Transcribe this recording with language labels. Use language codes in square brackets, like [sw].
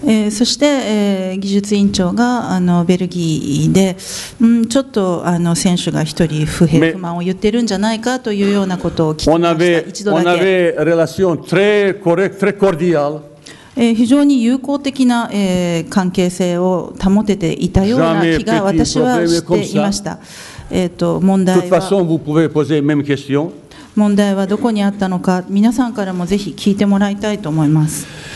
[ja] そして、技術委員長がベルギーで、ちょっと選手が一人不平不満を言ってるんじゃないかというようなことを聞きました。 [fr] On avait relation très correct, très cordial. [ja] 非常に友好的な、関係性を保てていたような気が私はしていました。問題は。 [fr] De toute façon, vous pouvez poser les mêmes questions. [ja] 問題はどこにあったのか、皆さんからもぜひ聞いてもらいたいと思います。